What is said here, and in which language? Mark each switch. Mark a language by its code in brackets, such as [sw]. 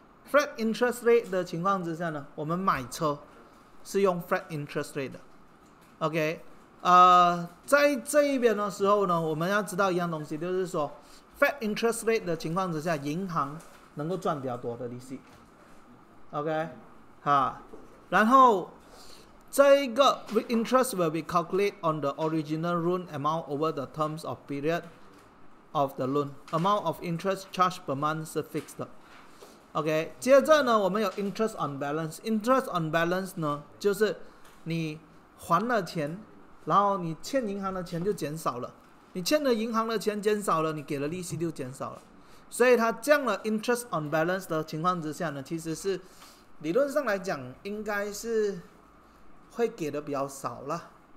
[zh] flat interest rate 的情况之下呢，我们买车是用 flat interest rate 的。 OK，在这一边的时候呢，我们要知道一样东西，就是说 flat interest rate 的情况之下，银行能够赚比较多的利息。 OK，然后这一个 [en] interest will be calculated on the original loan amount over the terms of period of the loan. Amount of interest charged per month [zh] 是 [en] fixed 的。OK， [zh] 接着呢，我们有 [en] interest on balance。 [zh] interest on balance 呢，就是你还了钱，然后你欠银行的钱就减少了。你欠的银行的钱减少了，你给的利息就减少了。所以它降了 interest on balance 的情况之下呢，其实是理论上来讲，应该是会给的比较少了。